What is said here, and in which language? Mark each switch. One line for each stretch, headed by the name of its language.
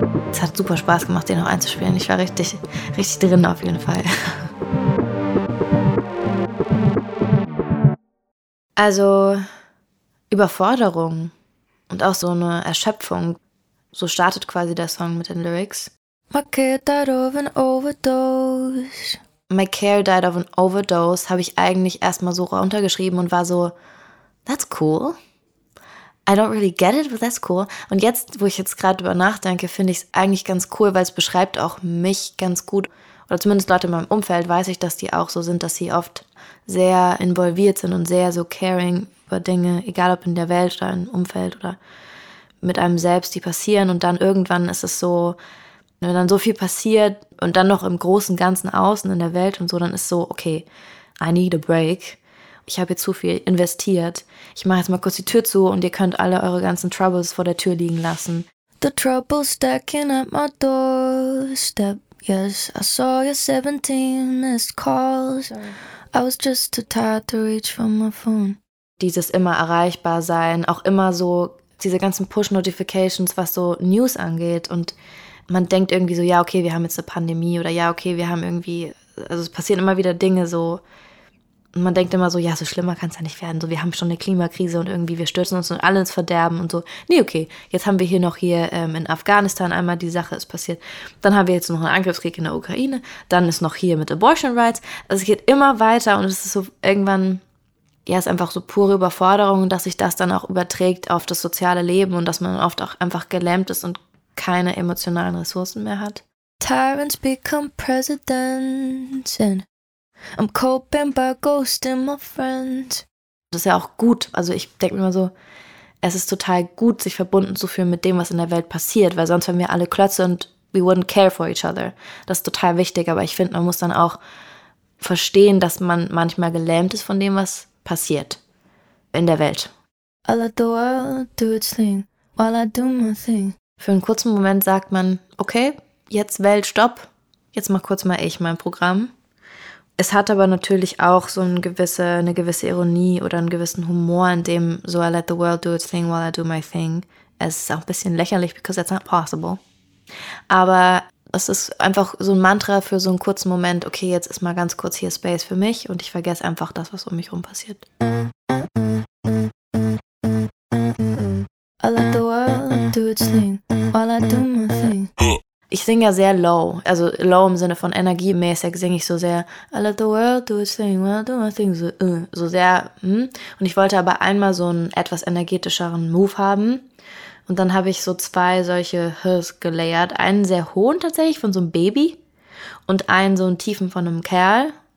German: Es hat super Spaß gemacht, den noch einzuspielen. Ich war richtig, richtig drin auf jeden Fall. Also Überforderung und auch so eine Erschöpfung. So startet quasi der Song mit den Lyrics.
English: My care died of an overdose. My care died of an overdose
German: habe ich eigentlich erstmal so runtergeschrieben und war so,
English: that's cool. I don't really get it, but that's cool.
German: Und jetzt, wo ich jetzt gerade drüber nachdenke, finde ich es eigentlich ganz cool, weil es beschreibt auch mich ganz gut. Oder zumindest Leute in meinem Umfeld weiß ich, dass die auch so sind, dass sie oft sehr involviert sind und sehr so caring über Dinge, egal ob in der Welt oder im Umfeld oder mit einem selbst, die passieren und dann irgendwann ist es so, wenn dann so viel passiert und dann noch im großen Ganzen außen in der Welt und so, dann ist so, okay,
English: I need a break.
German: Ich habe jetzt zu viel investiert. Ich mache jetzt mal kurz die Tür zu und ihr könnt alle eure ganzen Troubles vor der Tür liegen lassen.
English: The trouble stacking at my doorstep. Yes, I saw your 17 missed calls. I was just too tired to reach for my phone.
German: Dieses immer erreichbar sein, auch immer so diese ganzen Push-Notifications, was so News angeht und man denkt irgendwie so, ja, okay, wir haben jetzt eine Pandemie oder ja, okay, wir haben irgendwie, also es passieren immer wieder Dinge so und man denkt immer so, ja, so schlimmer kann es ja nicht werden, so wir haben schon eine Klimakrise und irgendwie wir stürzen uns und alle ins Verderben und so, nee, okay, jetzt haben wir hier noch hier in Afghanistan einmal die Sache ist passiert, dann haben wir jetzt noch einen Angriffskrieg in der Ukraine, dann ist noch hier mit Abortion Rights, also es geht immer weiter und es ist so irgendwann, ja, ist einfach so pure Überforderung, dass sich das dann auch überträgt auf das soziale Leben und dass man oft auch einfach gelähmt ist und keine emotionalen Ressourcen mehr hat.
English: Tyrants become presidents and I'm coping by ghosting my friends.
German: Das ist ja auch gut. Also ich denke mir immer so, es ist total gut, sich verbunden zu fühlen mit dem, was in der Welt passiert, weil sonst wären wir alle Klötze und
English: we wouldn't care for each other.
German: Das ist total wichtig, aber ich finde, man muss dann auch verstehen, dass man manchmal gelähmt ist von dem, was passiert in der Welt.
English: I let the world do its thing while I do my thing.
German: Für einen kurzen Moment sagt man, okay, jetzt Welt, stopp, jetzt mach kurz mal ich mein Programm. Es hat aber natürlich auch so eine gewisse Ironie oder einen gewissen Humor, in dem so
English: I let the world do its thing while I do my thing.
German: Es ist auch ein bisschen lächerlich,
English: because that's not possible.
German: Aber es ist einfach so ein Mantra für so einen kurzen Moment, okay, jetzt ist mal ganz kurz hier Space für mich und ich vergesse einfach das, was um mich rum passiert.
English: I let the world do its thing while I do my thing.
German: Ich singe ja sehr low, also low im Sinne von energiemäßig singe ich so sehr
English: I let the world do its thing, while I do my thing,
German: so sehr. Und ich wollte aber einmal so einen etwas energetischeren Move haben. Und dann habe ich so zwei solche Hs gelayert. Einen sehr hohen tatsächlich von so einem Baby und einen so einen tiefen von einem Kerl.